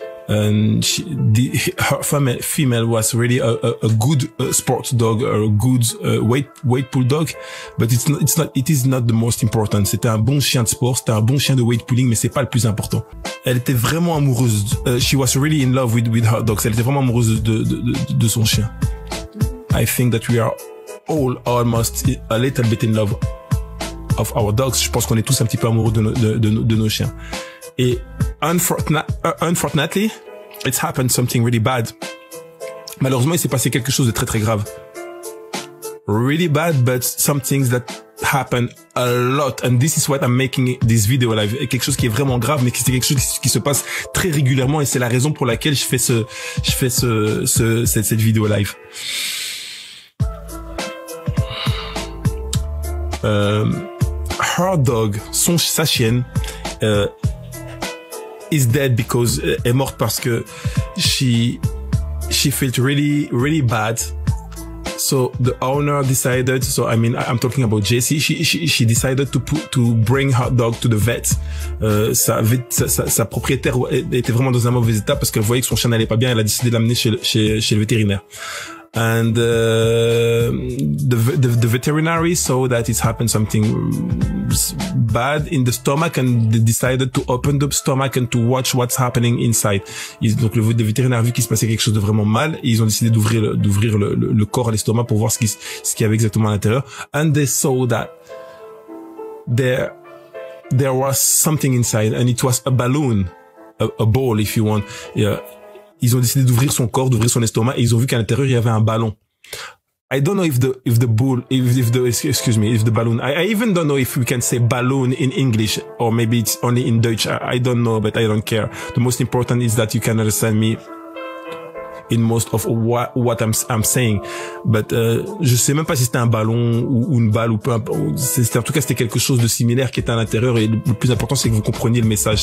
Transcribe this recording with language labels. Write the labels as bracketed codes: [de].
[en] Her female was really a good sport dog, a good weight pull dog, but it is not the most important. [fr] C'était un bon chien de sport, c'était un bon chien de weight pulling, mais c'est pas le plus important. Elle était vraiment amoureuse. [en] She was really in love with her dog. [fr] Elle était vraiment amoureuse de son chien. [en] I think that we are all almost a little bit in love of our dogs. [fr] Je pense qu'on est tous un petit peu amoureux de nos chiens. Et [en] unfortunately, it's happened something really bad. [fr] Malheureusement, il s'est passé quelque chose de très très grave. [en] Really bad, but some things that happen a lot. And this is what I'm making this video live. [fr] Et quelque chose qui est vraiment grave, mais c'est quelque chose qui se passe très régulièrement. Et c'est la raison pour laquelle je fais cette vidéo live. [en] Her dog, [fr] sa chienne, [en] is dead because [fr] est morte parce que [en] she felt really really bad. So the owner decided, so I mean I'm talking about JC, she decided to bring her dog to the vet. [fr] Sa propriétaire était vraiment dans un mauvais état parce qu'elle voyait que son chien n'allait pas bien. Elle a décidé de l'amener chez le vétérinaire. [en] And the veterinary saw that it happened something bad in the stomach and they decided to open the stomach and to watch what's happening inside. [fr] Donc le vétérinaire a vu qu'il se passait quelque chose de vraiment mal et ils ont décidé d'ouvrir le corps à l'estomac pour voir ce qu'il y avait exactement à l'intérieur. [en] And they saw that there was something inside and it was a balloon, a ball if you want. Yeah. [fr] ils ont décidé d'ouvrir son corps, d'ouvrir son estomac, et ils ont vu qu'à l'intérieur, il y avait un ballon. [en] I don't know if the balloon. I even don't know if we can say balloon in English or maybe it's only in Dutch. I don't know, but I don't care. The most important is that you can understand me in most of what I'm saying. But [fr] je sais même pas si c'était un ballon ou une balle ou peu importe. C'était, en tout cas, c'était quelque chose de similaire qui était à l'intérieur. Et le plus important, c'est que vous compreniez le message.